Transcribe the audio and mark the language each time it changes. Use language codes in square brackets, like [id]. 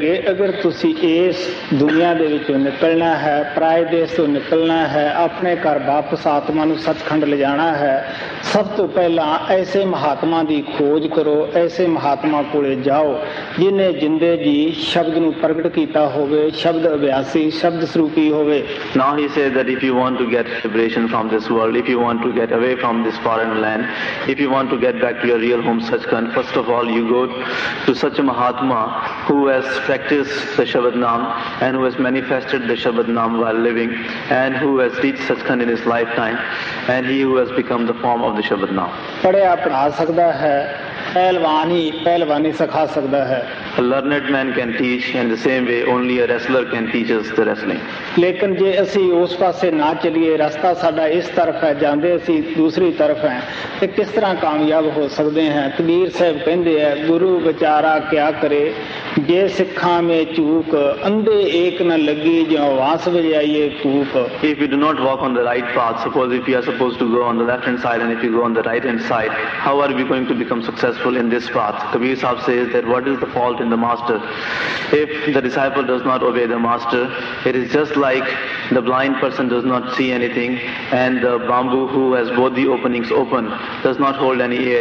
[pa] ਅਗਰ ਤੁਸੀਂ ਇਸ ਦੁਨੀਆਂ ਦੇ ਵਿੱਚੋਂ ਨਿਕਲਣਾ ਹੈ, ਪਰਾਏ ਦੇਸ਼ ਤੋਂ ਨਿਕਲਣਾ ਹੈ, ਆਪਣੇ ਘਰ ਵਾਪਸ ਆਤਮਾ ਨੂੰ ਸੱਚਖੰਡ ਲਿਜਾਣਾ ਹੈ, ਸਭ ਤੋਂ ਪਹਿਲਾਂ ਐਸੇ ਮਹਾਤਮਾ ਦੀ ਖੋਜ ਕਰੋ, ਐਸੇ ਮਹਾਤਮਾ ਕੋਲ ਜਾਓ ਜਿਹਨੇ ਜਿੰਦੇ ਜੀ ਸ਼ਬਦ ਨੂੰ ਪ੍ਰਗਟ ਕੀਤਾ ਹੋਵੇ, ਸ਼ਬਦ ਅਭਿਆਸੀ ਸ਼ਬਦ ਸਰੂਪੀ ਹੋਵੇ। [en] Now he says that if you want to get liberation from this world, if you want to get away from this foreign land, if you want to get back to your real home Sachkhand, first of all you go to such a Mahatma who has practiced the Shabad Naam and who has manifested the Shabad Naam while living and who has reached Sachkhand in his lifetime and he who has become the form of the Shabad Naam. [pa] ਪੜਿਆ ਪੜਾ ਸਕਦਾ ਹੈ, ਪਹਿਲਵਾਨੀ ਪਹਿਲਵਾਨੀ ਸਿਖਾ ਸਕਦਾ ਹੈ। [en] A learned man can teach in the same way only a wrestler can teach us the wrestling. [pa] ਲੇਕਿਨ ਜੇ ਅਸੀਂ ਉਸ ਪਾਸੇ ਨਾ ਚੱਲੀਏ, ਰਸਤਾ ਸਾਡਾ ਇਸ ਤਰਫ ਹੈ, ਜਾਂਦੇ ਅਸੀਂ ਦੂਸਰੀ ਤਰਫ ਹੈ, ਤੇ ਕਿਸ ਤਰ੍ਹਾਂ ਕਾਮਯਾਬ ਹੋ ਸਕਦੇ ਹਾਂ? ਕਬੀਰ ਸਾਹਿਬ ਕਹਿੰਦੇ ਹੈ, ਗੁਰੂ ਵਿਚਾਰਾ ਕਿਆ ਕਰੇ ਜੇ ਸਿੱਖਾਂ ਮੇਂ ਚੂਕ, ਅੰਧੇ ਏਕ ਨਾ ਲੱਗੀ ਜਾਂ ਵਾਸ ਵਜਾਈਏ ਕੂਕ। [en] If you do not walk on the right path, suppose if you are supposed to go on the left hand side and if you go on the right hand side, how are we going to become successful in this path? Kabir Sahib says that what is the fault in the master? If the disciple does not obey the master, it is just like the blind person does not see anything and the bamboo who has both the openings open does not hold any air.